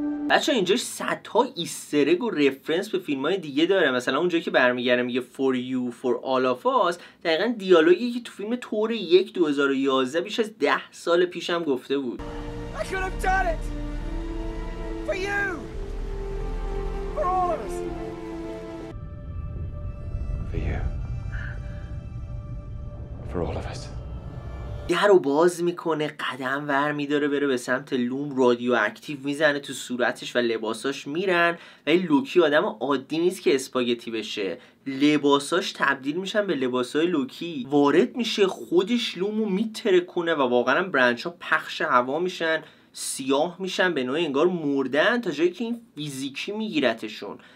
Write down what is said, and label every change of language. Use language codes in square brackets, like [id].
[fa] بچه اینجاش صدها ایسترگ و رفرنس به فیلم های دیگه داره. مثلا اونجایی که برمیگره میگه [en] for you for all of us، [fa] دقیقا دیالوگی که تو فیلم تور 1 2011 بیش از 10 سال پیش هم گفته بود. [en] I could have done it for you for all of us for you for all of us. [fa] در رو باز میکنه، قدم ور میداره بره به سمت لوم، رادیو اکتیف میزنه تو صورتش و لباساش میرن. ولی لوکی آدم عادی نیست که اسپاگتی بشه، لباساش تبدیل میشن به لباسای لوکی. وارد میشه، خودش لومو میترکونه و واقعا برنچ ها پخش هوا میشن، سیاه میشن، به نوعی انگار مردن، تا جایی که این فیزیکی میگیرتشون.